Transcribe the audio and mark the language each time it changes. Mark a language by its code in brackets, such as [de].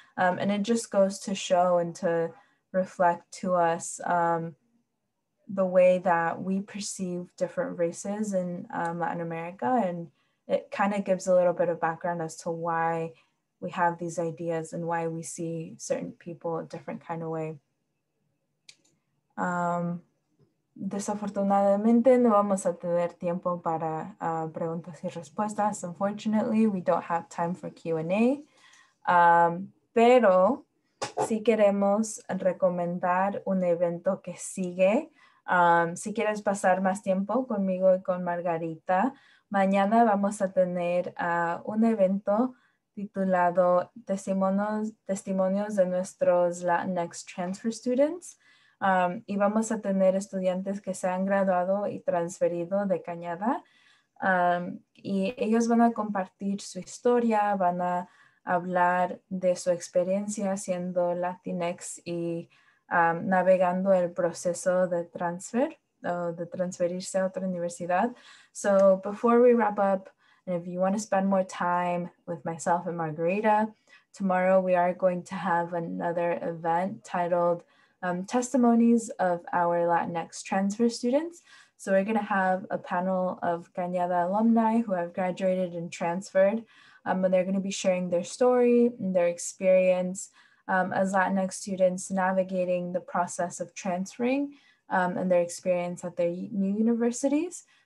[en] And it just goes to show and to reflect to us the way that we perceive different races in Latin America. And it kind of gives a little bit of background as to why we have these ideas and why we see certain people a different kind of way. [es] Desafortunadamente, no vamos a tener tiempo para preguntas y respuestas. [en] Unfortunately, we don't have time for Q&A. [es] Pero si queremos recomendar un evento que sigue, si quieres pasar más tiempo conmigo y con Margarita, mañana vamos a tener un evento titulado Testimonios de Nuestros Latinx Transfer Students. Y vamos a tener estudiantes que se han graduado y transferido de Cañada. Y ellos van a compartir su historia, van a hablar de su experiencia siendo Latinx y navegando el proceso de transfer, de transferirse a otra universidad. [en] So before we wrap up, and if you want to spend more time with myself and Margarita, tomorrow we are going to have another event titled Testimonies of Our Latinx Transfer Students. So we're going to have a panel of Cañada alumni who have graduated and transferred, and they're going to be sharing their story and their experience as Latinx students navigating the process of transferring and their experience at their new universities.